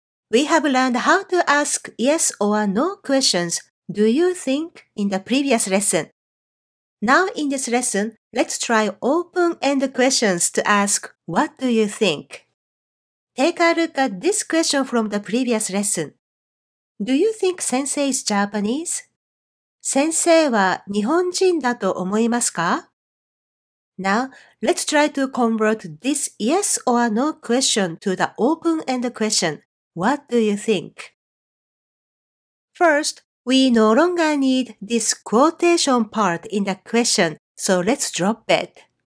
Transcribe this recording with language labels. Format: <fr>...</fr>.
<en>We have learned how to ask yes or no questions, do you think, in the previous lesson. Now in this lesson, let's try open-end questions to ask, what do you think? Take a look at this question from the previous lesson. Do you think sensei is Japanese?</en> <ja>先生は日本人だと思いますか?</ja> <en>Now, let's try to convert this yes or no question to the open-end question. What do you think? First, we no longer need this quotation part in the question, so let's drop it.</en>